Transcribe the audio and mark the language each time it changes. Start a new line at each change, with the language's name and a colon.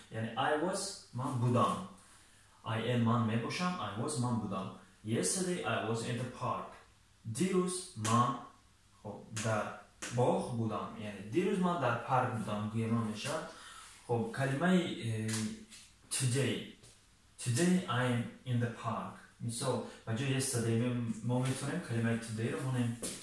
Persian: یعنی
English: I was
Persian: من بودم.
English: I am
Persian: من میباشم. I was من بودم.
English: Yesterday I was in the park.
Persian: دیروز من خب در باغ بودم. یعنی دیروز من در پارک بودم. گویا میشود.
English: خب کلمه today I am in the park.
Persian: مثلا بچه yesterday ما میتونیم کلمه today رو بونیم.